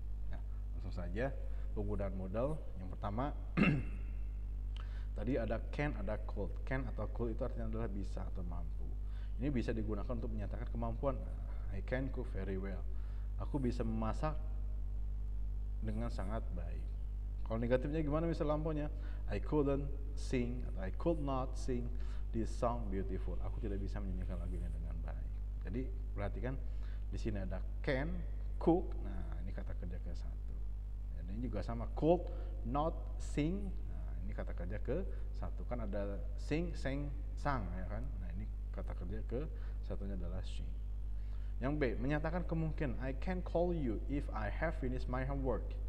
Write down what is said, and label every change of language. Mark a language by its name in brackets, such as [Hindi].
[Indonesian] Nah, langsung saja penggunaan modal yang pertama. Tadi ada can, ada could. Can atau could itu artinya adalah bisa atau mampu. Ini bisa digunakan untuk menyatakan kemampuan. [English] I can cook very well. [Indonesian] Aku bisa memasak dengan sangat baik. Kalau negatifnya gimana, misal lampunya? [English] I couldn't sing [Indonesian] atau [English] I could not sing this song beautiful. [Indonesian] Aku tidak bisa menyanyikan lagu ini dengan baik. Jadi perhatikan di sini ada can, cook. Nah, ini kata kerja ke satu. Dan ini juga sama could not sing. Nah, ini kata kerja ke satu. Kan ada sing, sang, sang ya kan? Nah, ini kata kerja ke satunya adalah sing. Yang B, menyatakan kemungkinan [English] I can call you if I have finished my homework.